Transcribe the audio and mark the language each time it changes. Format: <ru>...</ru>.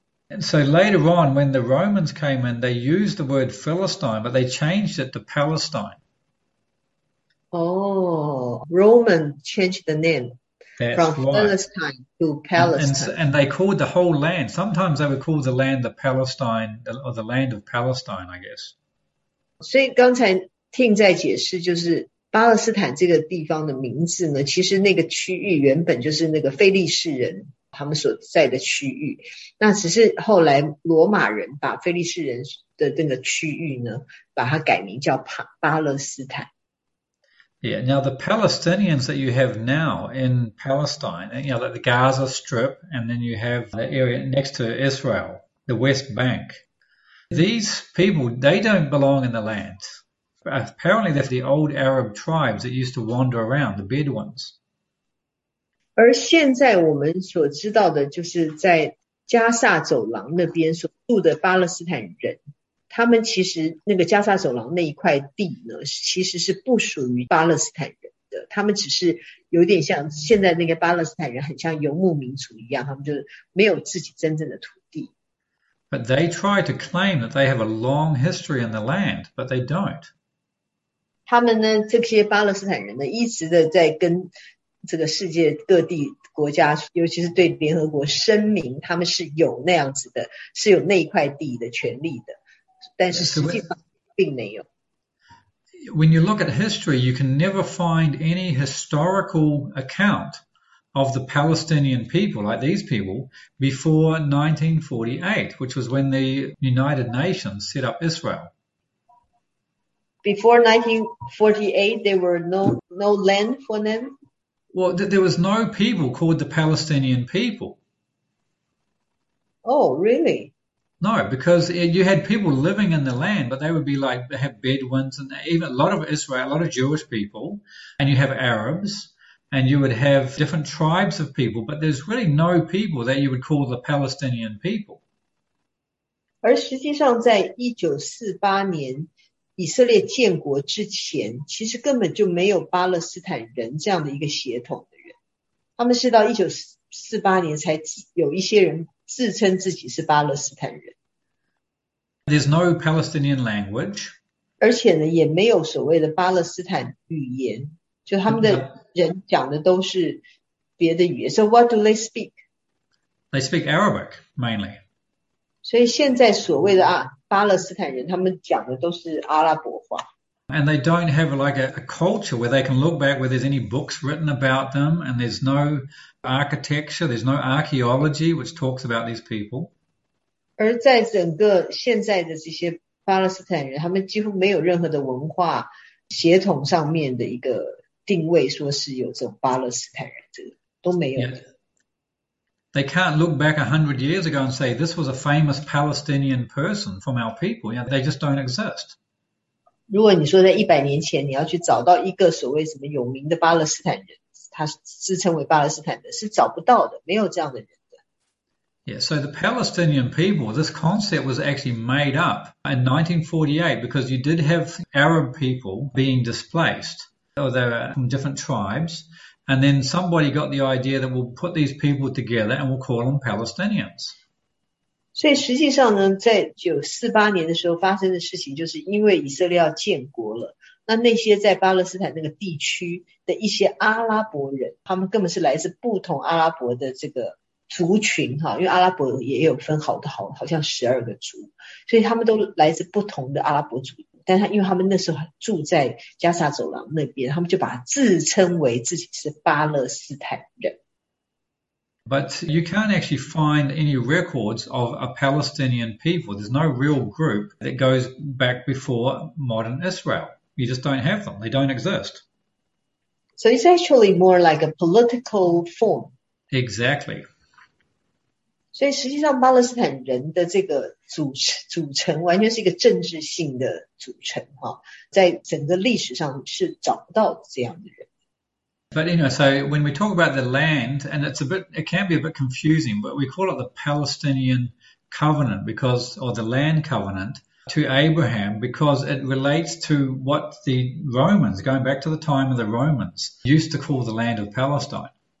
<en>And so later on, when the Romans came in, they used the word Philistine, but they changed it to Palestine. Oh, Roman changed the name That's from right. Philistine to And Palestine. they called the whole land. Sometimes they would call the land the Palestine or the land of Palestine, I guess.</en> <zh>所以刚才听在解释，就是巴勒斯坦这个地方的名字呢，其实那个区域原本就是那个腓力士人他们所在的区域，那只是后来罗马人把腓力士人的那个区域呢，把它改名叫巴勒斯坦。</zh> <en>Yeah, now the Palestinians that you have now in Palestine, like the Gaza Strip, and then you have the area next to Israel, the West Bank, these people, they don't belong in the land. Apparently, they're the old Arab tribes that used to wander around, the Bedouins.</en> <zh>而现在我们所知道的，就是在加萨走廊那边所住的巴勒斯坦人，他们其实那个加萨走廊那一块地呢，其实是不属于巴勒斯坦人的，他们只是有点像现在那个巴勒斯坦人，很像游牧民族一样，他们就没有自己真正的土地。</zh> <en>But they try to claim that they have a long history in the land, but they don't.</en> <zh>他们呢，这些巴勒斯坦人呢，一直的在跟这个世界各地国家，尤其是对联合国声明，他们是有那样子的，是有那一块地的权利的，但是实际上并没有。</zh> <en>When you look at history, you can never find any historical account of the Palestinian people, like these people, before 1948, which was when the United Nations set up Israel. Before 1948, there were no land for them. Well, there was no people called the Palestinian people. Oh, really? No, because you had people living in the land, but they would be like, they have Bedouins and even a lot of Israel, a lot of Jewish people, and you have Arabs, and you would have different tribes of people, but there's really no people that you would call the Palestinian people.</en> <zh>而实际上，在1948年以色列建国之前，其实根本就没有巴勒斯坦人这样的一个血统的人，他们是到1948年才有一些人。自称自己是巴勒斯坦人，</zh> <en>There's no Palestinian language.</en> <zh>而且呢，也没有所谓的巴勒斯坦语言，就他们的</zh> <en>No.</en> <zh>人讲的都是别的语言。</zh> <en>So what do they speak？ They speak Arabic mainly.</en> <zh>所以现在所谓的啊，巴勒斯坦人，他们讲的都是阿拉伯话。</zh> <en>And they don't have like a culture where they can look back where there's any books written about them, and there's no architecture, there's no archaeology which talks about these people.</en> <zh>而在整个现在的这些巴勒斯坦人，他们几乎没有任何的文化血统上面的一个定位，说是有这种巴勒斯坦人，这个都没有的。</zh> <en>Yeah. They can't look back 100 years ago and say this was a famous Palestinian person from our people. Yeah, they just don't exist.</en> <zh>如果你说在100年前，你要去找到一个所谓什么有名的巴勒斯坦人，他自称为巴勒斯坦人，是找不到的，没有这样的人。</zh> <en>Yeah, so the Palestinian people, this concept was actually made up in 1948 because you did have Arab people being displaced, or they were from different tribes. And then somebody got the idea that we'll put these people together and we'll call them Palestinians.</en> <zh>所以实际上呢，在1948年的时候发生的事情，就是因为以色列要建国了，那些在巴勒斯坦那个地区的一些阿拉伯人，他们根本是来自不同阿拉伯的这个族群哈，因为阿拉伯也有分好像12个族，所以他们都来自不同的阿拉伯族，但他因为他们那时候住在加沙走廊那边，他们就把自称为自己是巴勒斯坦人。</zh> <en>But you can't actually find any records of a Palestinian people. There's no real group that goes back before modern Israel. You just don't have them. They don't exist. So it's actually more like a political form. Exactly.</en> <zh>所以实际上，巴勒斯坦人的这个组成完全是一个政治性的组成哈，在整个历史上是找不到这样的人。</zh> <en>But anyway, so when we talk about the land, and it can be a bit confusing, but we call it the Palestinian covenant because, or the land covenant to Abraham, because it relates to what the Romans, going back to the time of the Romans, used to call the land of Palestine.</en>